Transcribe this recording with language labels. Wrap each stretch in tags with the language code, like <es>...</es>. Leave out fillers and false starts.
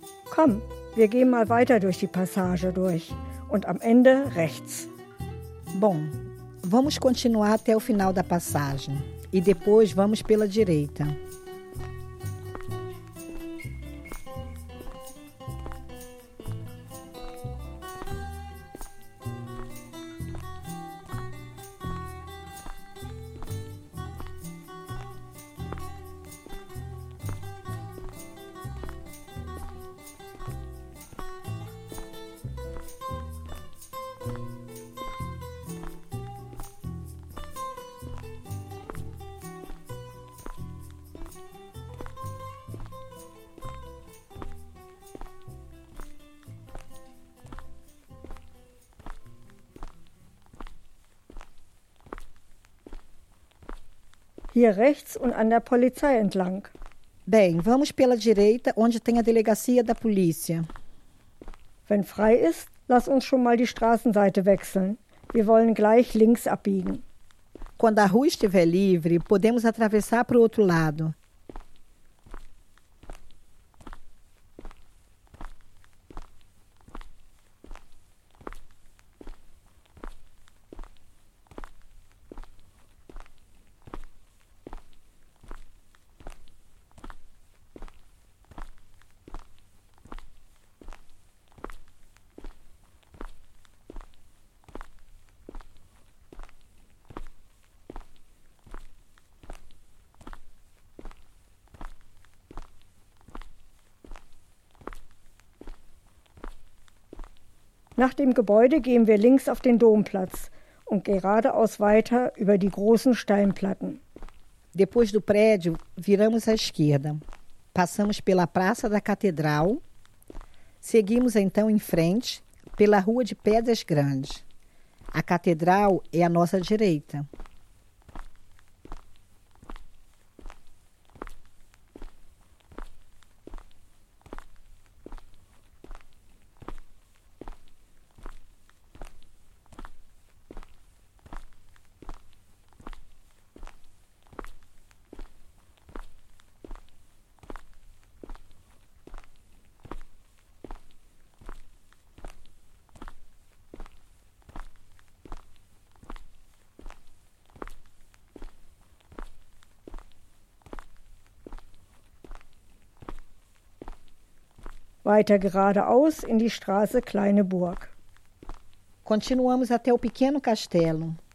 <de>Komm, wir gehen mal weiter durch die Passage durch und am Ende rechts.</de> <pt>Bom, vamos continuar até o final da passagem e depois vamos pela direita.</pt> <de>Hier rechts und an der Polizei entlang.</de> <pt>Bem, vamos pela direita, onde tem a delegacia da polícia.</pt> <de>Wenn frei ist, lass uns schon mal die Straßenseite wechseln. Wir wollen gleich links abbiegen.</de> <pt>Quando a rua estiver livre, podemos atravessar para o outro lado.</pt> <de>Nach dem Gebäude gehen wir links auf den Domplatz und geradeaus weiter über die großen Steinplatten.</de> <pt>Depois do prédio, viramos à esquerda. Passamos pela Praça da Catedral. Seguimos então em frente pela Rua de Pedras Grandes. A Catedral é à nossa direita.</pt> <de>Weiter geradeaus in die Straße Kleine Burg.</de> <pt>Continuamos até o pequeno castelo.</pt>